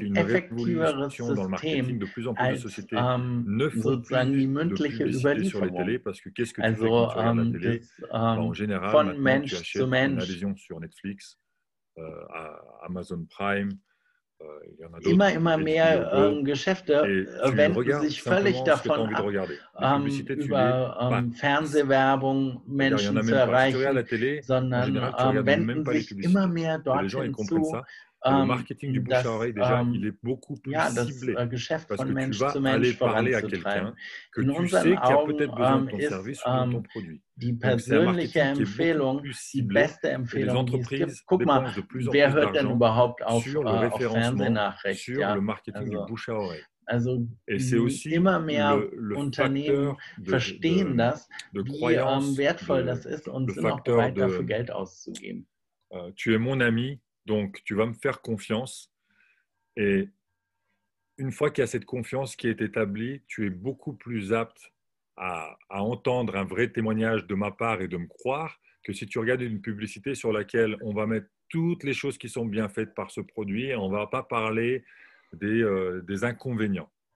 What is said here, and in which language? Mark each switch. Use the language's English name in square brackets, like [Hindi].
[French] une révolution dans le marketing. De plus en plus de sociétés ne font plus de publicité sur les télés parce que qu'est-ce que tu fais quand tu regardes la télé? En général, maintenant, tu achètes une adhésion sur Netflix, à Amazon Prime. [German] Immer mehr Geschäfte wenden sich völlig davon ab, über Fernsehwerbung Menschen zu erreichen, sondern wenden sich immer mehr dorthin zu. [French] Le marketing du bouche à oreille, déjà, il est beaucoup plus ciblé. Parce que tu vas aller parler à quelqu'un que tu sais qu'il y a peut-être besoin de ton service ou de ton produit. Donc, c'est un marketing qui est beaucoup plus ciblé. Et les entreprises dépensent de plus en plus d'argent sur le référencement, sur le marketing du bouche à oreille. [German] Also, [French] et c'est aussi [German] immer mehr Unternehmen verstehen das, wie wertvoll das ist und sind auch bereit, dafür Geld auszugeben. [French] Tu es mon ami. Donc, tu vas me faire confiance et une fois qu'il y a cette confiance qui est établie, tu es beaucoup plus apte à entendre un vrai témoignage de ma part et de me croire que si tu regardes une publicité sur laquelle on va mettre toutes les choses qui sont bien faites par ce produit et on ne va pas parler des inconvénients.